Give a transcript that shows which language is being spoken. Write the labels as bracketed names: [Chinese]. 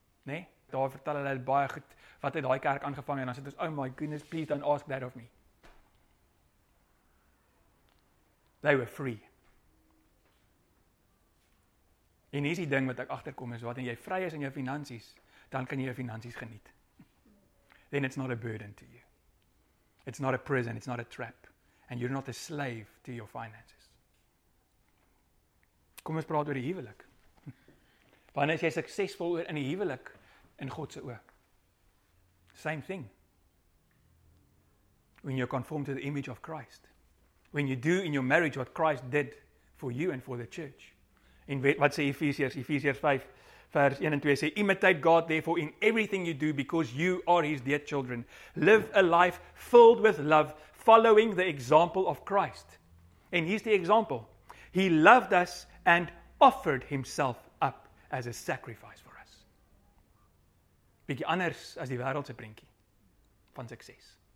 [Afrikaans] Nee, daar vertel hulle baie goed wat uit daai kerk aangevang en dan sê dit ons, [English] oh my goodness, please don't ask that of me. They were free. [Afrikaans] En hier is die ding wat ek agterkom is, wat en jy vry is in jou finansies, dan kan jy jou finansies geniet. [English] Then it's not a burden to you. It's not a prison, it's not a trap. And you're not a slave to your finances. [Afrikaans] Kom ons praat oor die huwelik. Wanneer is jy suksesvol oor in die huwelik in God se oë? [English] Same thing. When you conform to the image of Christ. When you do in your marriage what Christ did for you and for the church. [Afrikaans] In wat sê Efesiërs? Efesiërs 5 vers 1 en 2 sê, [English] imitate God therefore in everything you do because you are his dear children. Live a life filled with love following the example of Christ. And here's the example. He loved us and offered himself up as a sacrifice for us. [Afrikaans] Bietjie anders as die wêreld se prentjie van sukses.